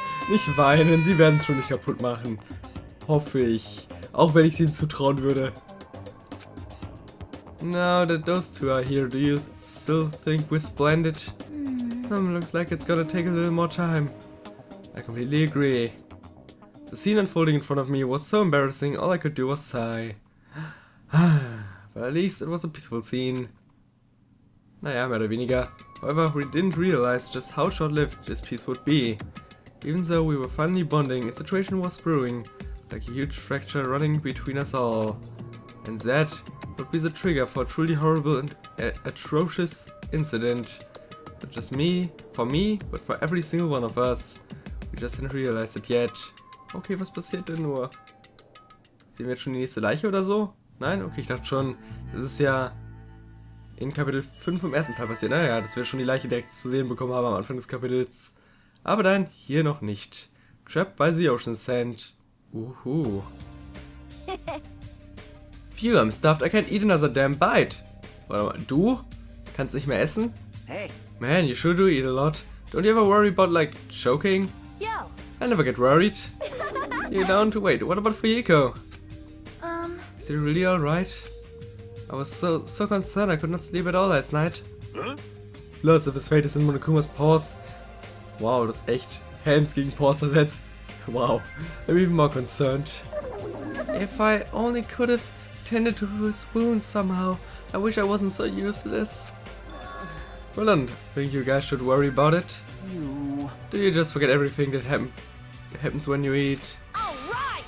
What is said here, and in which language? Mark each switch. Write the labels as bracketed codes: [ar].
[de] Nicht weinen, die werden es schon nicht kaputt machen. Hoffe ich. Auch wenn ich sie ihnen zutrauen würde. [en] Now that those two are here, do you still think we're splendid? Looks like it's gonna take a little more time. I completely agree. The scene unfolding in front of me was so embarrassing, all I could do was sigh. But at least it was a peaceful scene. [de] Naja, mehr oder weniger. [en] However, we didn't realize just how short-lived this peace would be. Even though we were finally bonding, a situation was brewing, like a huge fracture running between us all. And that would be the trigger for a truly horrible and atrocious incident. Not just me, for me, but for every single one of us. We just didn't realize it yet. Okay, [de] was passiert denn nur? Sehen wir jetzt schon die nächste Leiche oder so? Nein? Okay, ich dachte schon, das ist ja in Kapitel 5 vom ersten Teil passiert. Naja, dass wir schon die Leiche direkt zu sehen bekommen haben am Anfang des Kapitels. Aber nein, hier noch nicht. [en] Trapped by the ocean sand. [de] Uhu. [en] Phew, I'm stuffed. I can't eat another damn bite. [de] Warte mal, du? Kannst nicht mehr essen? [en] Hey. Man, you sure do eat a lot. Don't you ever worry about, like, choking? Yo. I never get worried. You're down to wait. What about Fuyiko? Is he really alright? I was so concerned. I could not sleep at all last night. Huh? Lust of his fate is in Monokuma's paws. [de] Wow, das ist echt Hands gegen Paws ersetzt. [en] Wow, I'm even more concerned. If I only could have tended to his wounds somehow. I wish I wasn't so useless. Well, then, think you guys should worry about it? You. Do you just forget everything that happens when you eat? Alright!